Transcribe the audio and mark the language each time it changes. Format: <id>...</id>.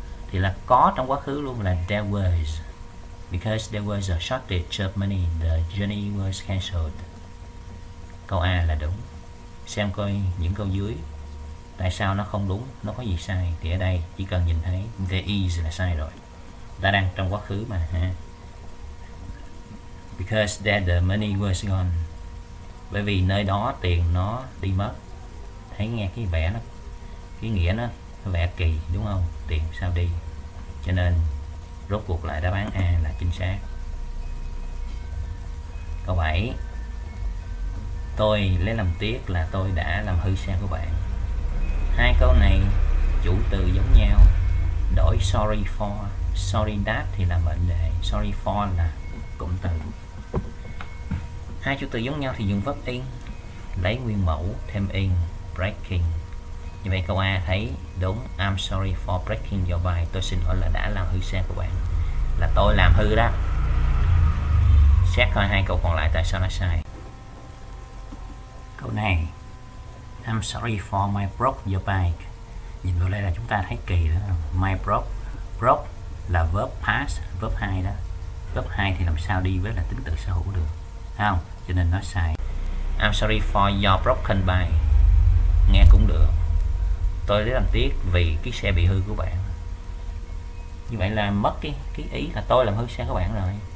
<vi>Thì là có trong quá khứ luôn là</vi> <en>there was. Because there was a shortage of money, the journey was cancelled.</en> <vi>Câu A là đúng. Xem coi những câu dưới tại sao nó không đúng, nó có gì sai. Thì ở đây chỉ cần nhìn thấy</vi> <en>there is</en> <vi>là sai rồi. Ta đang trong quá khứ mà ha.</vi> <en>Because there the money was gone.</en> <vi>Bởi vì nơi đó tiền nó đi mất. Thấy nghe cái vẻ nó, cái nghĩa nó vẻ kỳ đúng không? Tiền sao đi. Cho nên rốt cuộc lại đáp án A là chính xác. Câu 7. Tôi lấy làm tiếc là tôi đã làm hư xe của bạn. Hai câu này chủ từ giống nhau. Đổi sorry for, sorry that thì là mệnh đề, sorry for là cụm từ. Hai chủ từ giống nhau thì dùng verb in, lấy nguyên mẫu thêm in, breaking. Như vậy câu A thấy đúng,</vi> <en>I'm sorry for breaking your bike.</en> <vi>Tôi xin lỗi là đã làm hư xe của bạn. Là tôi làm hư đó. Xét coi hai câu còn lại tại sao nó sai. Câu này,</vi> <en>I'm sorry for my broke your bike.</en> <vi>Nhìn vào đây là chúng ta thấy kỳ đó. My broke, broke là verb past, verb 2 đó. Verb 2 thì làm sao đi với là tính từ sở hữu được, thấy không? Cho nên nó sai.</vi> <en>I'm sorry for your broken bike.</en> <vi>Nghe cũng được. Tôi rất làm tiếc vì cái xe bị hư của bạn. Như vậy là mất cái ý là tôi làm hư xe của bạn rồi.</vi>